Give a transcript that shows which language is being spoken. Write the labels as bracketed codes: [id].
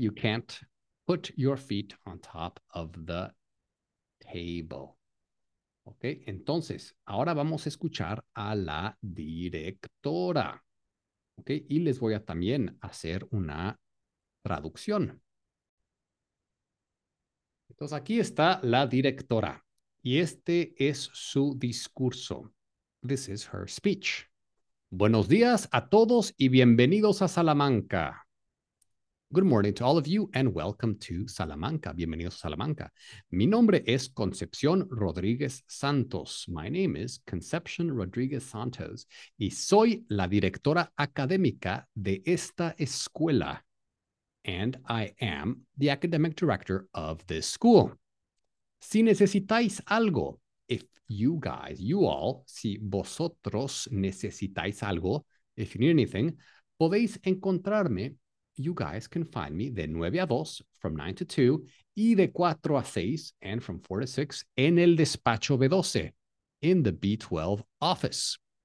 [en] You can't put your feet on top of the table. Okay. [es] Entonces, ahora vamos a escuchar a la directora. Okay. Y les voy a también hacer una traducción. Entonces, aquí está la directora y este es su discurso. [en] This is her speech. [es] Buenos días a todos y bienvenidos a Salamanca. [en] Good morning to all of you and welcome to Salamanca. [es] Bienvenidos a Salamanca. Mi nombre es Concepción Rodríguez Santos. [en] My name is [es] Concepción Rodríguez Santos y soy la directora académica de esta escuela. [en] And I am the academic director of this school. [es] Si necesitáis algo, [en] if you guys, you all, [es] si vosotros necesitáis algo, [en] if you need anything, [es] podéis encontrarme. [en] You guys can find me [es] de 9 a 2, [en] from 9 to 2, [es] y de 4 a 6, [en] and from 4 to 6, [es] en el despacho B12, [en] in the B12 office.